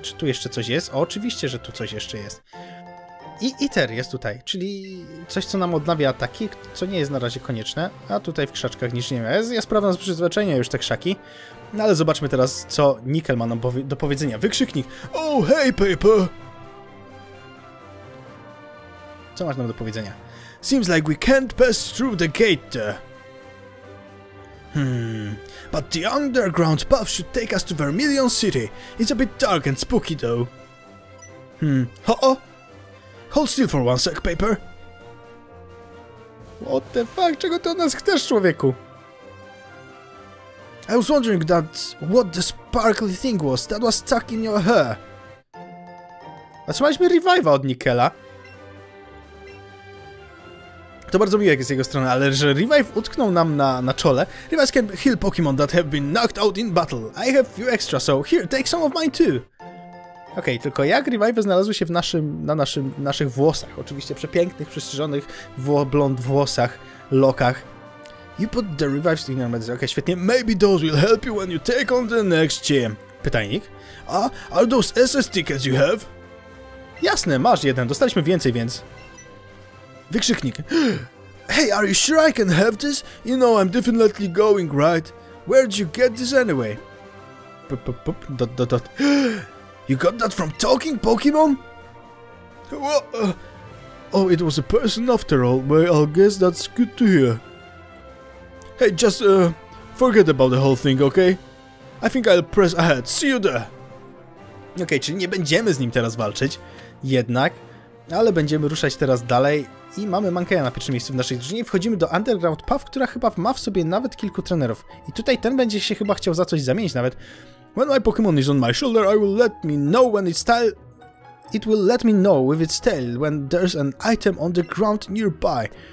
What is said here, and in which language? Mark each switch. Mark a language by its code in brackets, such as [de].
[pl] Czy tu jeszcze coś jest? O, oczywiście, że tu coś jeszcze jest. I Iter jest tutaj, czyli coś, co nam odnawia ataki, co nie jest na razie konieczne. A tutaj w krzaczkach nic nie ma. Ja sprawdzam z przyzwyczajenia już te krzaki. No ale zobaczmy teraz, co Nickel ma nam do powiedzenia. Wykrzyknik! [en] Oh, hey, Paper! [pl] Co masz nam do powiedzenia? [en] Seems like we can't pass through the gate. But the underground path should take us to Vermilion City. It's a bit dark and spooky though. Hold still for one sec, Paper. What the fuck? [pl] Czego ty od nas chcesz, człowieku? [en] I was wondering that what the sparkly thing was that was stuck in your hair. [pl] Otrzymaliśmy revive'a od Nickela. To bardzo miłe z jego strony, ale że revive utknął nam na czole. [en] Revives can heal Pokémon that have been knocked out in battle. I have few extra, so here, take some of mine too. [pl] Okej, tylko jak revive znalazły się w naszych włosach? Oczywiście przepięknych, przystrzyżonych blond włosach, lokach. [en] You put the revives in your medicine. Okay, [pl] świetnie. [en] Maybe those will help you when you take on the next gym. [pl] Pytajnik. [en] A, are those SS tickets you have? [pl] Jasne, masz jeden. Dostaliśmy więcej, więc... Wykrzyknik. [en] Hey, are you sure I can have this? You know I'm definitely going, right? Where did you get this anyway? P-p-p-p, dot-dot-dot. You got that from talking Pokemon? Well, oh, it was a person after all. Well, I guess that's good to hear. Hey, just, forget about the whole thing, okay? I think I'll press ahead. See you there! [pl] Okej, czyli nie będziemy z nim teraz walczyć, jednak, ale będziemy ruszać teraz dalej i mamy Mankeya na pierwszym miejscu w naszej drużynie. Wchodzimy do Underground Path, która chyba ma w sobie nawet kilku trenerów. I tutaj ten będzie się chyba chciał za coś zamienić nawet. [en] When my Pokemon is on my shoulder, I will let me know when it's tail. It will let me know with its tail when there's an item on the ground nearby.